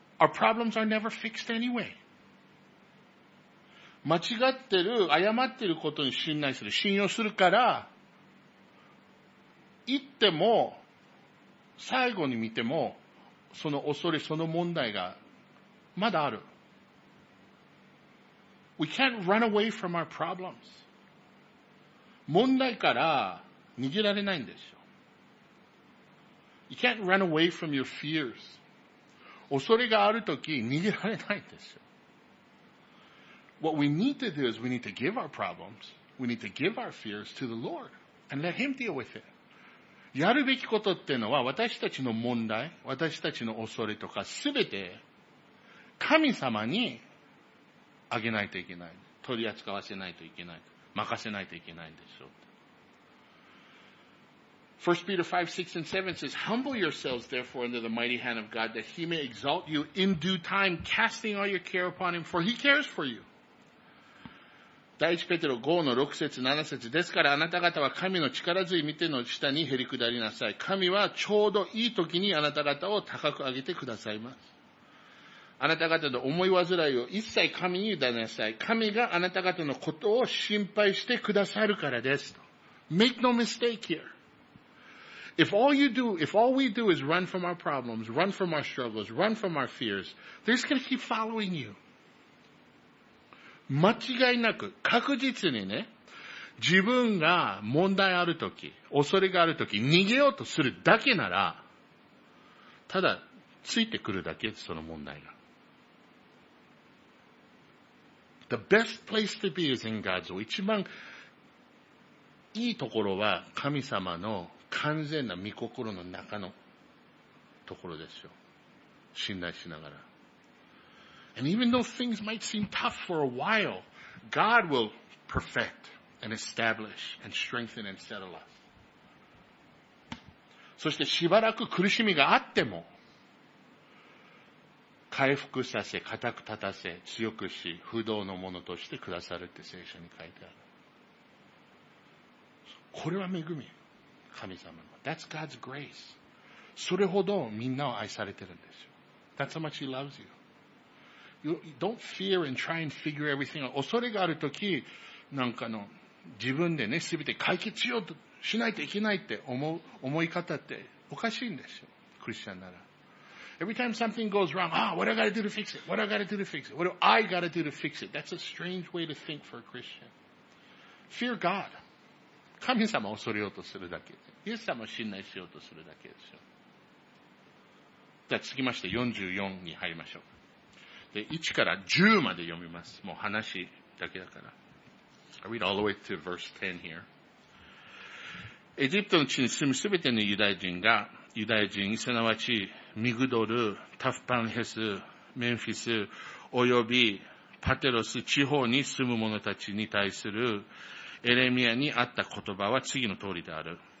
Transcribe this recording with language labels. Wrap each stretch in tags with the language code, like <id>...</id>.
<en>Our problems are never fixed anyway.</en> <ja>間違ってる、誤ってることに信頼する、信用するから、言っても、最後に見ても、その恐れ、その問題が、まだある。</ja> <en>We can't run away from our problems.</en> <ja>問題から逃げられないんですよ。</ja> <en>You can't run away from your fears.</en> <ja>恐れがあるとき、逃げられないんですよ。</ja> <en>What we need to do is we need to give our problems, we need to give our fears to the Lord, and let Him deal with it.</en> <ja>やるべきことっていうのは、私たちの問題、私たちの恐れとか、すべて、神様に、あげないといけない。取り扱わせないといけない。任せないといけないんでしょう。</ja> <en>1 Peter 5, 6 and 7 says, Humble yourselves therefore under the mighty hand of God, that He may exalt you in due time, casting all your care upon Him, for He cares for you.</en> <ja>第1ペテロ5の6節7節ですから、あなた方は神の力強い御手の下にへり下りなさい。神はちょうどいい時にあなた方を高く上げてくださいます。あなた方の思い煩いを一切神に委ねなさい。神があなた方のことを心配してくださるからです。</ja> <en>Make no mistake here. If all we do is run from our problems, run from our struggles, run from our fears, they're just going to keep following you.</en> <ja>間違いなく、確実にね、自分が問題あるとき、恐れがあるとき、逃げようとするだけなら、ただ、ついてくるだけ、その問題が。</ja> <en>The best place to be is in God's will.</en> <ja>一番いいところは、神様の完全な御心の中のところですよ。信頼しながら。</ja> <en>And even though things might seem tough for a while, God will perfect and establish and strengthen and settle us.</en> <ja>そしてしばらく苦しみがあっても、回復させ、固く立たせ、強くし、不動のものとしてくださるって聖書に書いてある。これは恵み、神様の。</ja> <en>That's God's grace.</en> <ja>それほどみんなを愛されてるんですよ。</ja> <en>That's how much He loves you. You don't fear and try and figure everything out.</en> <ja>恐れがあるとき、なんかの、自分でね、すべて解決しようとしないといけないって思い方っておかしいんですよ。クリスチャンなら。</ja> <en>Every time something goes wrong, What do I gotta do to fix it? That's a strange way to think for a Christian. Fear God.</en> <ja>神様を恐れようとするだけ。イエス様を信頼しようとするだけですよ。じゃあ、続きまして44に入りましょう。で、1から10まで読みます。もう話だけだから。</ja> <en>I read all the way to verse 10 here.</en> <ja>エジプトの地に住むすべてのユダヤ人、すなわち、ミグドル、タフパンヘス、メンフィス、およびパテロス地方に住む者たちに対するエレミアにあった言葉は次の通りである。</ja>